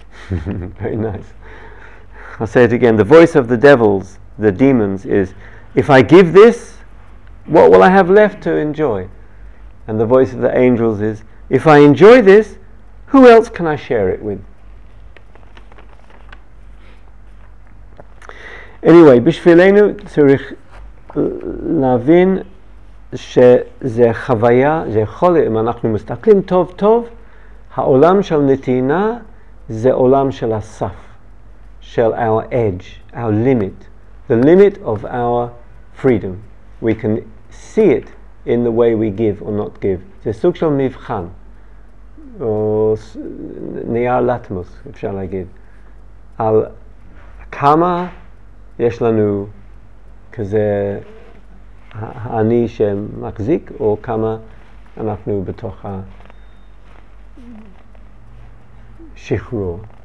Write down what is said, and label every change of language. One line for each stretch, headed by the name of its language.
English: Very nice. I'll say it again. The voice of the devils, the demons, is, if I give this, what will I have left to enjoy? And the voice of the angels is, if I enjoy this, who else can I share it with?
Hebrew: Anyway, בשבילנו צריך להבין שזה חוויה, זה יכול, אם אנחנו מסתכלים טוב טוב, העולם של נתינה זה עולם של הסף, של
English: our edge, our limit, the limit of our freedom. We can see it in the way we give or not give.
Hebrew: זה סוג של מבחן, או נייר לטמוס, אפשר להגיד, על כמה יש לנו כזה אני שמחזיק, או כמה אנחנו בתוך השחרור.